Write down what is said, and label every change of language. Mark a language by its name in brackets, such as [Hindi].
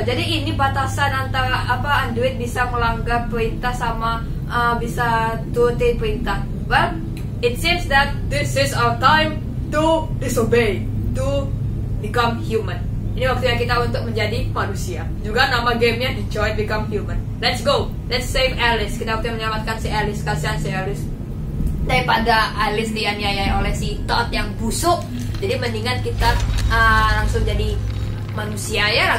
[Indonesian] Jadi ini batasan antara apa Android bisa melanggar perintah sama bisa turutin perintah. [English] Well, it seems that this is our time to disobey, to become human. [Indonesian] Ini waktunya kita untuk menjadi manusia. Juga nama gamenya [English] Detroit Become Human. Let's go. Let's save Alice. [Indonesian] Kita waktunya menyelamatkan si Alice. Kasihan si Alice. Daripada Alice dianiaya oleh si Todd yang busuk. Jadi mendingan kita langsung jadi manusia ya.